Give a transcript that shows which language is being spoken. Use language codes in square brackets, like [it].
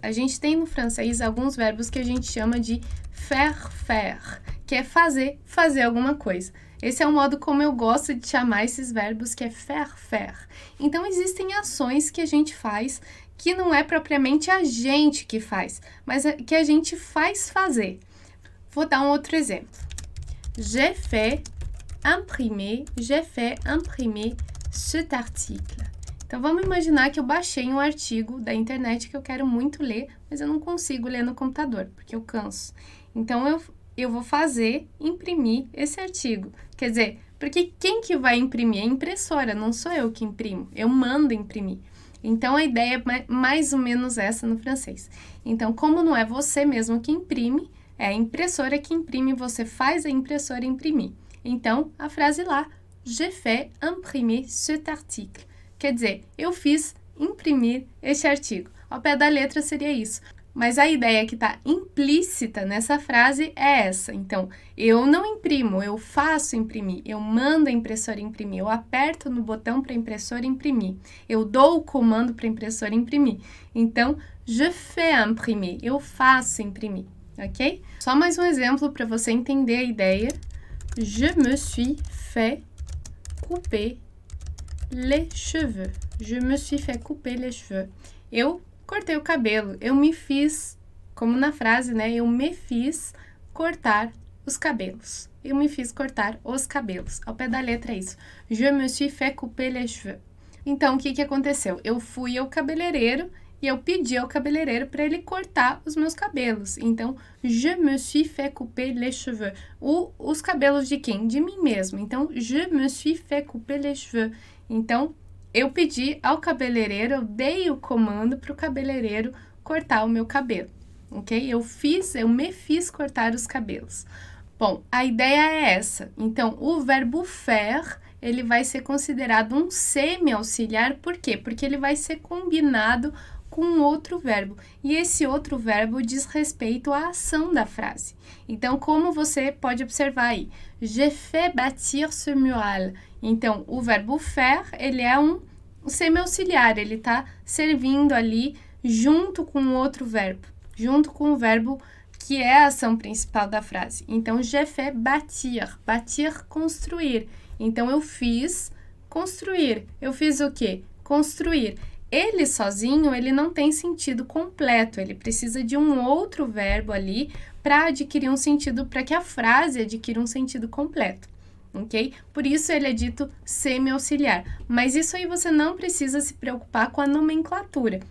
[pt] A gente tem no francês alguns verbos que a gente chama de faire, que é fazer alguma coisa. Esse é o modo como eu gosto de chamar esses verbos, que é faire. Então, existem ações que a gente faz que não é propriamente a gente que faz, mas que a gente faz fazer. Vou dar um outro exemplo. [fr] J'ai fait imprimer cet article. [pt] Então, vamos imaginar que eu baixei um artigo da internet que eu quero muito ler, mas eu não consigo ler no computador, porque eu canso. Então, eu vou fazer imprimir esse artigo. Quer dizer, porque quem que vai imprimir? É a impressora, não sou eu que imprimo. Eu mando imprimir. Então, a ideia é mais ou menos essa no francês. Então, como não é você mesmo que imprime, é a impressora que imprime, você faz a impressora imprimir. Então, a frase lá, [fr] j'ai fait imprimer cet article. [pt] Quer dizer, eu fiz imprimir este artigo. Ao pé da letra seria isso. Mas a ideia que está implícita nessa frase é essa. Então, eu não imprimo, eu faço imprimir, eu mando a impressora imprimir, eu aperto no botão para a impressora imprimir, eu dou o comando para a impressora imprimir. Então, [fr] je fais imprimer, [pt] eu faço imprimir, ok? Só mais um exemplo para você entender a ideia. [fr] Je me suis fait couper les cheveux. Je me suis fait couper les cheveux. [pt] Eu cortei o cabelo, eu me fiz, como na frase, né? Eu me fiz cortar os cabelos. Eu me fiz cortar os cabelos. Ao pé da letra é isso. [fr] Je me suis fait couper les cheveux. [pt] Então, o que que aconteceu? Eu fui ao cabeleireiro e eu pedi ao cabeleireiro para ele cortar os meus cabelos. Então, [fr] je me suis fait couper les cheveux. [pt] Os cabelos de quem? De mim mesmo. Então, [fr] je me suis fait couper les cheveux. [pt] Então, eu pedi ao cabeleireiro, eu dei o comando para o cabeleireiro cortar o meu cabelo, ok? Eu me fiz cortar os cabelos. Bom, a ideia é essa. Então, o verbo faire, ele vai ser considerado um semi-auxiliar, por quê? Porque ele vai ser combinado com outro verbo. E esse outro verbo diz respeito à ação da frase. Então, como você pode observar aí? [fr] J'ai fait bâtir ce mural. [pt] Então, o verbo faire, ele é um semi-auxiliar, ele está servindo ali junto com outro verbo, junto com o verbo que é a ação principal da frase. Então, j'ai fait bâtir, bâtir, construir. Então, eu fiz construir. Eu fiz o quê? Construir. Ele sozinho, ele não tem sentido completo, ele precisa de um outro verbo ali para adquirir um sentido, para que a frase adquira um sentido completo. Ok? Por isso ele é dito semi-auxiliar. Mas isso aí você não precisa se preocupar com a nomenclatura.